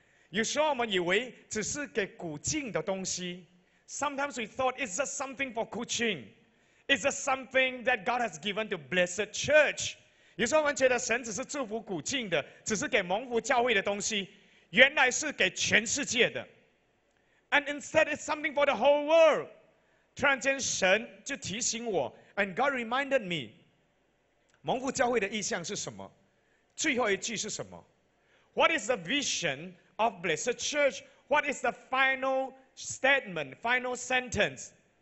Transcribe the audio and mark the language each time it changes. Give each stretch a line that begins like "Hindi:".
Chinese: 有时候我们以为只是给古晋的东西。
English: Sometimes we thought it's just something for Kuching. It's just something that God has given to Blessed Church.
Chinese: 有时候我们觉得神只是祝福古晋的，只是给蒙福教会的东西，原来是给全世界的。
English: And instead, it's something for the whole world.
Chinese: 突然间，神就提醒我 ，
English: And God reminded me，
Chinese: 蒙福教会的意向是什么？最后一句是什么？
English: What is the vision of Blessed Church? What is the final statement, final sentence?